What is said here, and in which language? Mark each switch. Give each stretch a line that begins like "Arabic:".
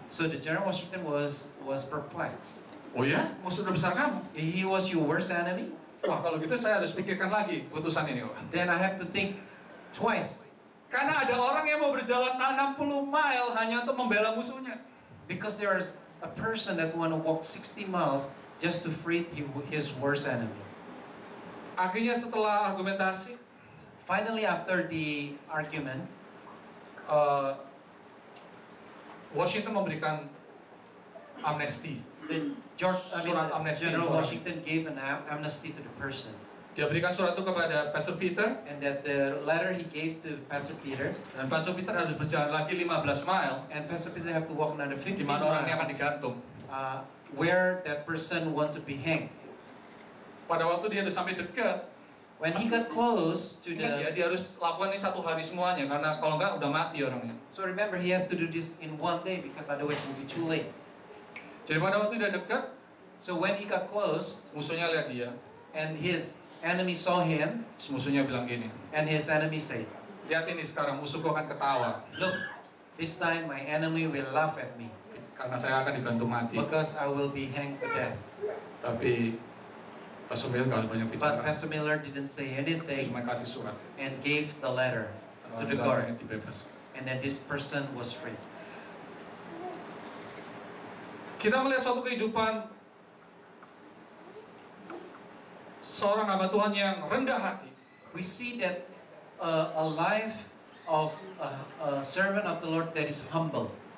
English: So the General Washington was perplexed.
Indonesian: Oh ya? Musuh terbesar kamu?
English: He was your worst enemy?
Indonesian: Wah, kalau gitu saya harus pikirkan lagi putusan ini.
English: Then I have to think twice.
Indonesian: Karena ada orang yang mau berjalan 60 mile hanya untuk membela musuhnya.
English: Because there is a person that want to walk 60 miles just to free his worst enemy.
Indonesian: Akhirnya setelah argumentasi,
English: finally after the argument,
Indonesian: Washington memberikan amnesti.
English: General Washington gave an amnesty to the person.
Indonesian: Dia berikan surat itu kepada Pastor Peter.
English: And that the letter he gave to Pastor Peter.
Indonesian: Dan Pastor Peter harus berjalan lagi 15 mile.
English: And Pastor Peter have to walk another 15 miles.
Indonesian: Di mana orang ini akan digantung?
English: Where that person want to be hanged?
Indonesian: Pada waktu dia sudah sampai dekat.
English: When he got close to the.
Indonesian: Ya, dia harus lakukan ini satu hari semuanya, karena kalau enggak udah mati orangnya.
English: So remember he has to do this in one day because otherwise it will be too late.
Indonesian: Jadi pada waktu dia dekat,
English: so when he got close,
Indonesian: musuhnya lihat dia,
English: and his enemy saw him,
Indonesian: musuhnya bilang gini,
English: and his enemy said,
Indonesian: lihat ini sekarang musuhku akan ketawa.
English: Look, this time my enemy will laugh at me.
Indonesian: Karena saya akan digantung mati.
English: Because I will be hanged to death.
Indonesian: Tapi Pastor Miller tidak banyak bicara.
English: But Pastor Miller didn't say anything.
Indonesian: Cuma kasih surat.
English: And gave the letter to the guard.
Indonesian: Dibebas.
English: And then this person was free.
Indonesian: Kita melihat suatu kehidupan seorang hamba Tuhan yang rendah hati.
English: We see that a life of a servant of the Lord that is humble.